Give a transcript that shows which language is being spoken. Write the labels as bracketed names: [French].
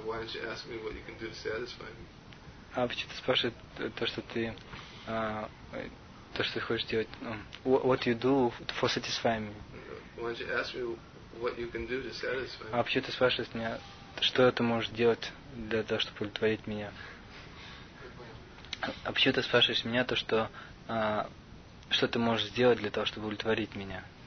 [English] Why don't you ask me what you can do to satisfy me? [Russian] А почему ты спрашиваешь то, что ты хочешь делать? [English] What you do for satisfying me? Why don't you ask me what you can do to satisfy me? [Russian] А почему ты спрашиваешь меня, что ты можешь делать для того, чтобы удовлетворить меня? А почему ты спрашиваешь меня то, что что ты можешь сделать для того, чтобы удовлетворить меня?